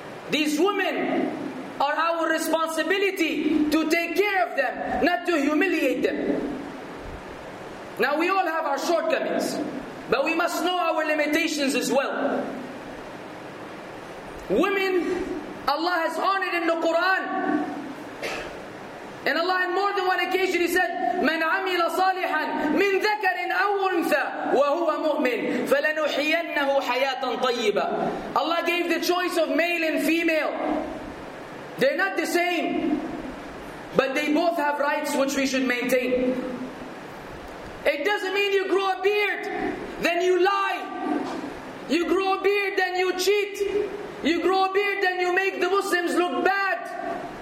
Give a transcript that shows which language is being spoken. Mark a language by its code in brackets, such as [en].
[en] These women are our responsibility to take care of them, not to humiliate them. Now we all have our shortcomings. But we must know our limitations as well. Women, Allah has honored in the Quran. [ar] And Allah on more than one occasion He said, مَنْ عَمِلَ صَالِحًا مِنْ ذَكَرٍ أَوْ أُنْثَى وَهُوَ مُؤْمِنٌ فَلَنُحْيِيَنَّهُ حَيَاةً طَيِّبًا. [en] Allah gave the choice of male and female. They're not the same. But they both have rights which we should maintain. It doesn't mean you grow a beard, then you lie. You grow a beard, then you cheat. You grow a beard, then you make the Muslims look bad.